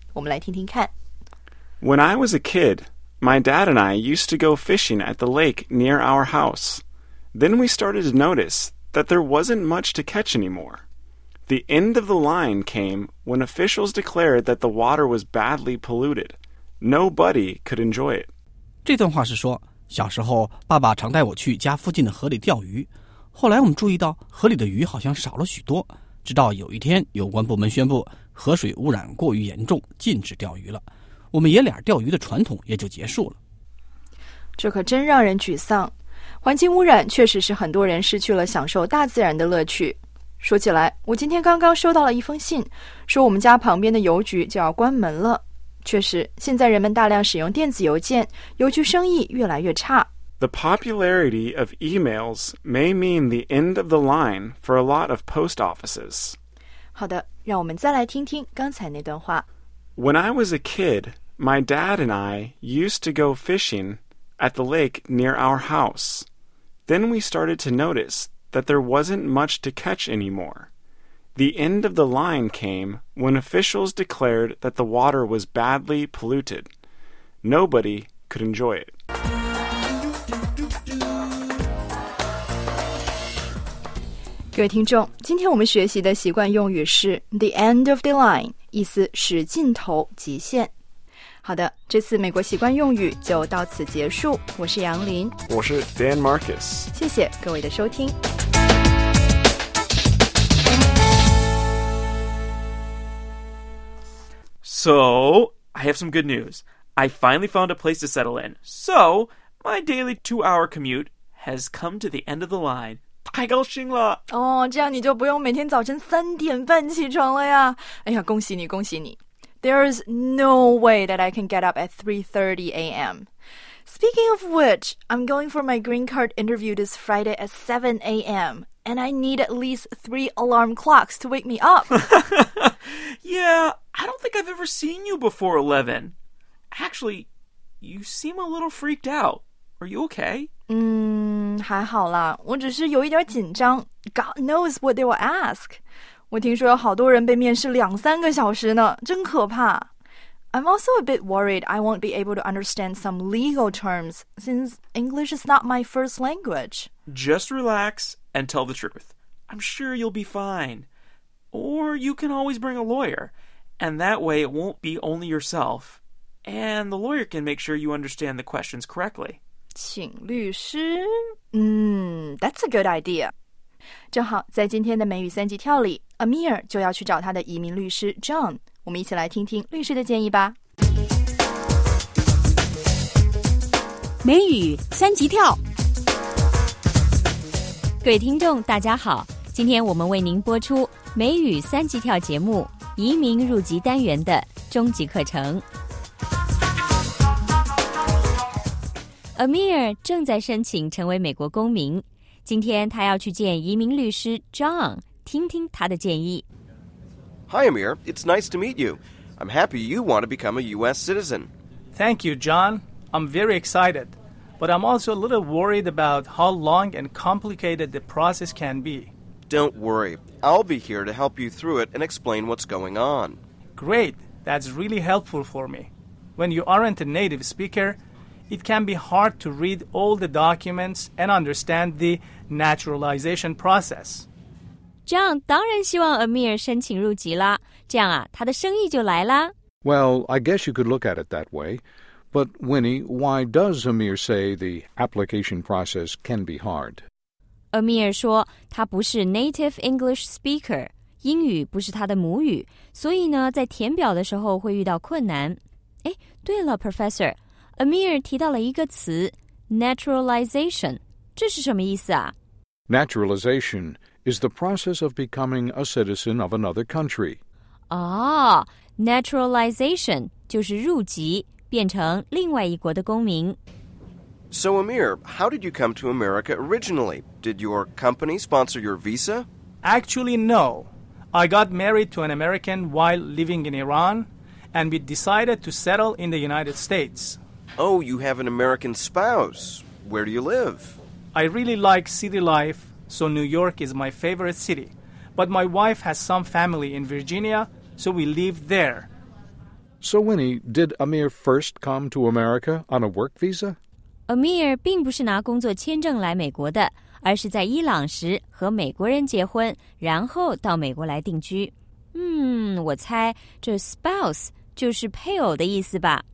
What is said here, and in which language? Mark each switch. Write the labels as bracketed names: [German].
[Chinese] 我们来听听看。 [English] When I was a kid, my dad and I used to go fishing at the lake near our house. Then we started to notice that there wasn't much to catch anymore. The end of the line came when officials declared that the water was badly polluted. Nobody could enjoy it. [Chinese] 这段话是说，小时候爸爸常带我去家附近的河里钓鱼，后来我们注意到河里的鱼好像少了许多，直到有一天有关部门宣布河水污染过于严重，禁止钓鱼了，我们爷俩钓鱼的传统也就结束了。这可真让人沮丧，环境污染确实是很多人失去了享受大自然的乐趣。说起来，我今天刚刚收到了一封信，说我们家旁边的邮局就要关门了。确实，现在人们大量使用电子邮件，邮局生意越来越差。 [English] The popularity of emails may mean the end of the line for a lot of post offices. [Chinese] 好的，让我们再来听听刚才那段话。 [English] When I was a kid, my dad and I used to go fishing at the lake near our house. Then we started to notice that there wasn't much to catch anymore. The end of the line came when officials declared that the water was badly polluted. Nobody could enjoy it. Good [Chinese] 听众，今天我们学习的习惯用语是 [English] the end of the line, [Chinese] 意思是尽头极限。好的，这次美国习惯用语就到此结束。我是杨林，我是 Dan Marcus。谢谢各位的收听。 [English] So, I have some good news. I finally found a place to settle in. So, my daily 2-hour commute has come to the end of the line. [Chinese] 太高兴了！哦，这样你就不用每天早晨3:30起床了呀。哎呀，恭喜你，恭喜你。 [English] There is no way that I can get up at 3:30 a.m. Speaking of which, I'm going for my green card interview this Friday at 7 a.m. And I need at least 3 alarm clocks to wake me up. Yeah, I don't think I've ever seen you before 11. Actually, you seem a little freaked out. Are you okay? [Chinese] 还好啦，我只是有一点紧张。 [English] God knows what they will ask. [Chinese] 我听说有好多人被面试 [English] 2-3 hours [Chinese] 呢，真可怕。 [English] I'm also a bit worried I won't be able to understand some legal terms since English is not my first language. Just relax and tell the truth. I'm sure you'll be fine. Or you can always bring a lawyer. And that way it won't be only yourself. And the lawyer can make sure you understand the questions correctly. [Chinese] 请律师？ [English] That's a good idea. [Chinese] 正好在今天的美语三级跳里 Amir 就要去找他的移民律师 John 我们一起来听听律师的建议吧美语三级跳各位听众大家好今天我们为您播出美语三级跳节目移民入籍单元的终极课程 Amir 正在申请成为美国公民今天他要去见移民律师 John, 听听他的建议。 [English] Hi Amir, it's nice to meet you. I'm happy you want to become a U.S. citizen. Thank you, John. I'm very excited. But I'm also a little worried about how long and complicated the process can be. Don't worry. I'll be here to help you through it and explain what's going on. Great. That's really helpful for me. When you aren't a native speaker, it can be hard to read all the documents and understand the naturalization process. [Chinese] John 当然希望 Amir 申请入籍啦，这样啊，他的生意就来啦。 [English] Well, I guess you could look at it that way. But Winnie, why does Amir say the application process can be hard? [Chinese] Amir 说他不是 [English] native English speaker, [Chinese] 英语不是他的母语，所以呢，在填表的时候会遇到困难。哎，对了 ，Professor， Amir 提到了一个词 naturalization， 这是什么意思啊 [English] ？Naturalization is the process of becoming a citizen of another country. [Chinese] Ah, naturalization 就是入籍，变成另外一国的公民。 [English] So Amir, how did you come to America originally? Did your company sponsor your visa? Actually, no. I got married to an American while living in Iran. And we decided to settle in the United States. Oh, you have an American spouse. Where do you live? I really like city life, so New York is my favorite city. But my wife has some family in Virginia, so we live there. So Winnie, did Amir first come to America on a work visa? [Chinese] Amir 并不是拿工作签证来美国的，而是在伊朗时和美国人结婚，然后到美国来定居。我猜这 spouse 就是配偶的意思吧。